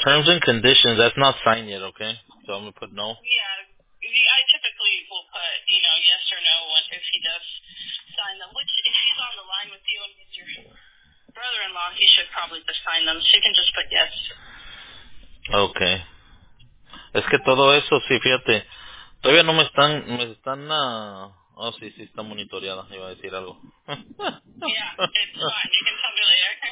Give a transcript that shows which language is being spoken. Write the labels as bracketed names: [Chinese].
[English] Terms and conditions, that's not signed yet, okay? So I'm going to put no. Yeah, I typically will put, you know, yes or no if he does sign them, which if he's on the line with you and he's your brother-in-law, he should probably just sign them. She can just put yes. Okay. [Spanish] Es que todo eso, sí, fíjate, todavía no me están, oh, sí, sí, está monitoreada, iba a decir algo. [English] Yeah, it's fine, you can tell me later.